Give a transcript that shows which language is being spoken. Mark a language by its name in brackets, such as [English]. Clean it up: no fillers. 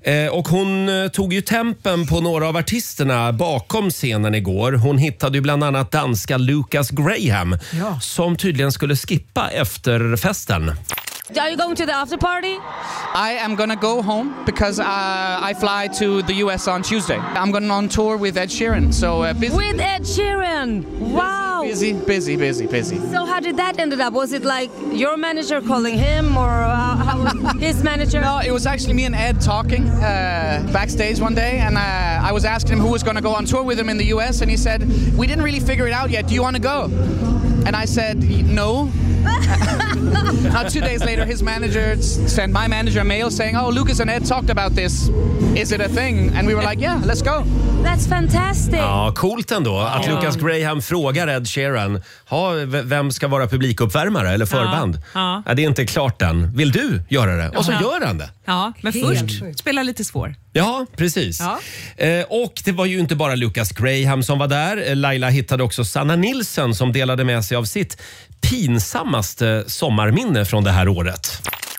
[Swedish] Och hon tog ju tempen på några av artisterna bakom scenen igår. Hon hittade ju bland annat danska Lucas Graham, ja, som tydligen skulle skippa efter festen. [English] Are you going to the after party? I am gonna go home because I fly to the US on Tuesday. I'm going on tour with Ed Sheeran. So busy. With Ed Sheeran. Wow. Busy, busy, busy, busy. So how did that end up? Was it like your manager calling him or his manager? No, it was actually me and Ed talking backstage one day, and I was asking him who was going to go on tour with him in the US, and he said, "We didn't really figure it out yet. Do you want to go?" And I said, "No." Now, 2 days later, his manager sent my manager a mail saying, "Oh, Lucas and Ed talked about this. Is it a thing?" And we were like, "Yeah, let's go." That's fantastic. [Swedish] Ja, coolt ändå att Lucas Graham frågar Ed Sheeran, ha, vem ska vara publikuppvärmare eller förband? Ja. Ja, det är inte klart än. Vill du göra det? Och så gör han det. Ja, men först spela lite svår. Ja, precis. Ja. Och det var ju inte bara Lucas Graham som var där. Laila hittade också Sanna Nilsson som delade med sig av sitt pinsammaste sommarminne från det här året.